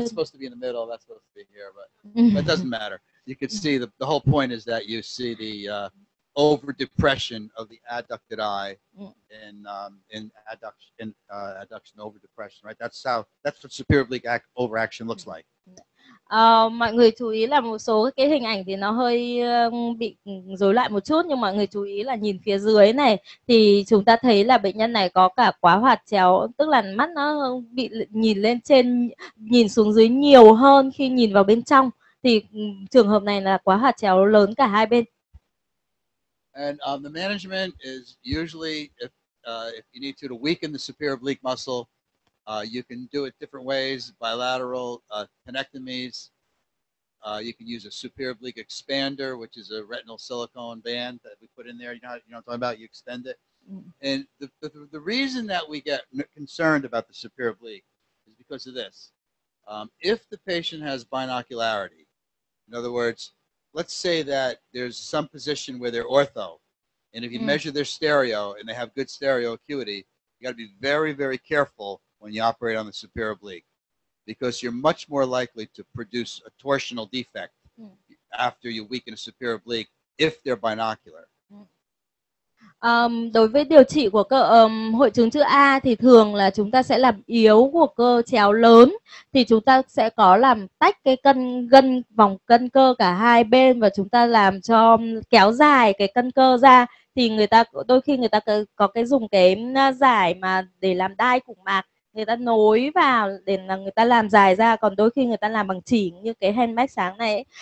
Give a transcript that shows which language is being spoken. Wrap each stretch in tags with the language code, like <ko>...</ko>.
<en>That's supposed to be in the middle. That's supposed to be here, but it doesn't matter. You can see the whole point is that you see the over depression of the adducted eye in adduction over depression, right? That's what superior oblique overaction looks like.</en> <vi>Mọi người chú ý là một số cái hình ảnh thì nó hơi bị rối loạn một chút, nhưng mọi người chú ý là nhìn phía dưới này thì chúng ta thấy là bệnh nhân này có cả quá hoạt chéo, tức là mắt nó bị nhìn lên trên, nhìn xuống dưới nhiều hơn khi nhìn vào bên trong, thì trường hợp này là quá hoạt chéo lớn cả hai bên.</vi> <en>And the management is usually if you need to weaken the superior oblique muscle, you can do it different ways, bilateral tenectomies. You can use a superior oblique expander, which is a retinal silicone band that we put in there. You know what I'm talking about? You extend it. And the reason that we get concerned about the superior oblique is because of this. If the patient has binocularity, in other words, let's say that there's some position where they're ortho, and if you measure their stereo and they have good stereo acuity, you got to be very, very careful when you operate on the superior oblique, because you're much more likely to produce a torsional defect after you weaken a superior oblique if they're binocular.</en> <vi>Đối với điều trị của cơ hội chứng chữ A thì thường là chúng ta sẽ làm yếu của cơ chéo lớn, thì chúng ta sẽ có làm tách cái cân gân vòng cân cơ cả hai bên và chúng ta làm cho kéo dài cái cân cơ ra, thì người ta đôi khi người ta có cái dùng cái giải mà để làm đai củng mạc, người ta nối vào để là người ta làm dài ra, còn đôi khi người ta làm bằng chỉ như cái handmade sáng này ấy.</vi>